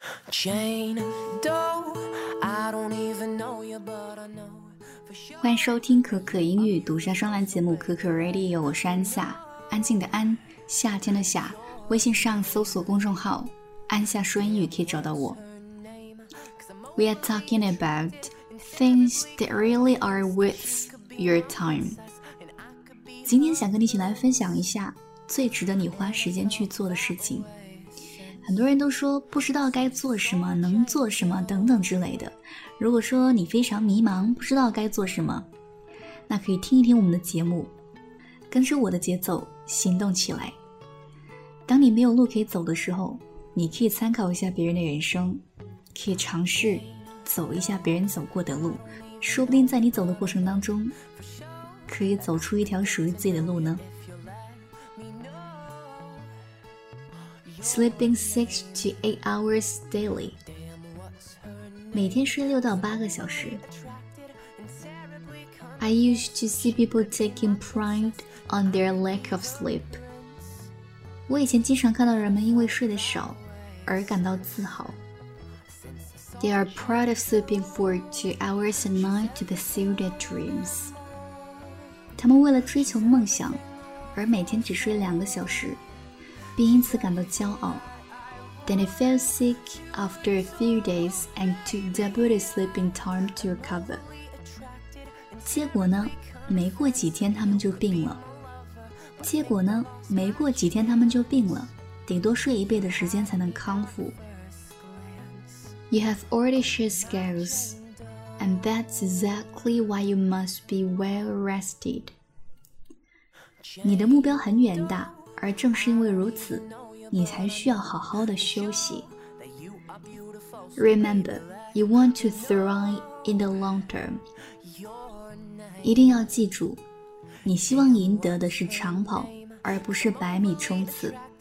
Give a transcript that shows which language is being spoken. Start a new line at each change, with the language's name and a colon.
English: Jane Doe, I don't even know you, but I know for sure.
Chinese: 欢迎收听可可英语独家专栏节目可可 Radio， 我是安夏，安静的安，夏天的夏。微信上搜索公众号安夏说英语可以找到我。
English: We are talking about things that really are worth your time。
Chinese: 今天想跟你一起来分享一下最值得你花时间去做的事情。很多人都说不知道该做什么，能做什么等等之类的。如果说你非常迷茫，不知道该做什么，那可以听一听我们的节目，跟着我的节奏行动起来。当你没有路可以走的时候，你可以参考一下别人的人生，可以尝试走一下别人走过的路，说不定在你走的过程当中可以走出一条属于自己的路呢。
English: Sleeping 6 to 8 hours daily，
Chinese: 每天睡6到8个小时。
English: I used to see people taking pride on their lack of sleep。
Chinese: 我以前经常看到人们因为睡得少而感到自豪。
English: They are proud of sleeping 4 to 2 hours a night to pursue their dreams。
Chinese: 他们为了追求梦想而每天只睡2个小时，并因此感到骄傲。
English: Then he fell sick after a few days and took double the sleeping time to recover。
Chinese: 结果呢，没过几天他们就病了。结果呢，没过几天他们就病了，顶多睡一倍的时间才能康复。
English: You have audacious goals, and that's exactly why you must be well rested。
Chinese: 你的目标很远大，而正是因为如此，你才需要好好的休息。
English: Remember, you want to thrive in the long term。
Chinese: 一定要记住，你希望赢得的是长跑，而不是百米冲刺。